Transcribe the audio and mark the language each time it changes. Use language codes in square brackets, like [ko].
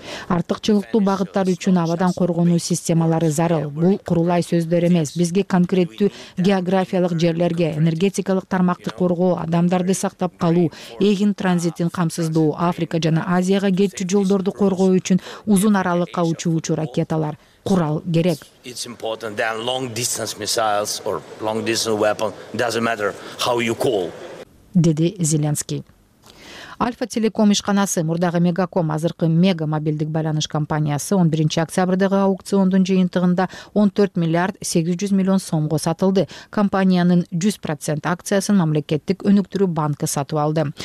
[ky] Артыкчылыктуу багыттар үчүн абадан коргонуу системалары зарыл. Бул курулай сөздөр эмес. Бизге конкреттүү географиялык жерлерге, энергетикалык тармакты коргоо, адамдарды сактап калуу, эгин транзитин камсыздоо, Африка жана Азияга кетчү жолдорду коргоо үчүн узун аралыкка учуучу ракеталар, курал керек. [en] It's important than long distance missiles or long distance weapon, doesn't matter how you call. [ky] Деди Зеленский. Альфа Телеком ишканасы, мурдагы Мегаком, азыркы Мега мобилдик байланыш компаниясы 11 октябрдагы аукциондун жыйынтыгында 14 миллиард 800 миллион сомго сатылды. Компаниянын 100% акциясын мамлекеттик өнүктүрүү банкы сатып алды.